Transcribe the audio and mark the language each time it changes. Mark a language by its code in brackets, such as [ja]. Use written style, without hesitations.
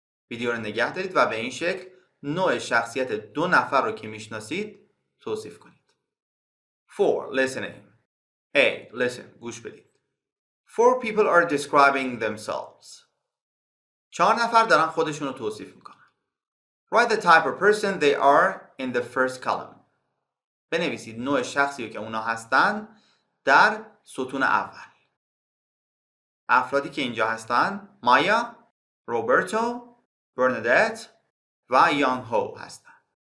[fa] ویدیو رو نگه دارید و به این شکل نوع شخصیت دو نفر رو که میشناسید توصیف کنید. [en] 4. Listening. A. Listen. [fa] گوش بدید. [en] 4 people are describing themselves. [fa] 4 نفر دارن خودشون رو توصیف میکنن. [en] Write the type of person they are in the first column. [fa] بنویسید نوع شخصی رو که اونا هستن در ستون اول. افرادی که اینجا هستن مایا، روبرتو، برندت و یانگ هو هستن.